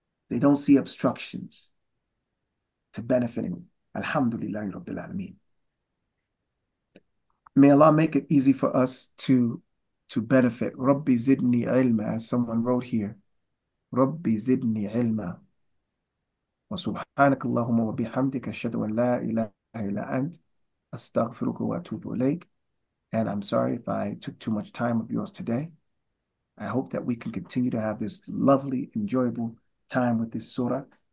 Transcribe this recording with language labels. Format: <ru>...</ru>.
<en>They don't see obstructions to benefiting.</en> <ar>Alhamdulillah Rabbil Alameen.</ar> <en>May Allah make it easy for us to benefit.</en> <ar>Rabbi Zidni Ilma,</ar> <en>as someone wrote here.</en> <ar>ربي زدني علما. وسبحانك اللهم وبحمدك، أشهد أن لا إله إلا أنت، أستغفرك وأتوب إليك.</ar> <en>And I'm sorry if I took too much time of yours today. I hope that we can continue to have this lovely, enjoyable time with this surah.</en>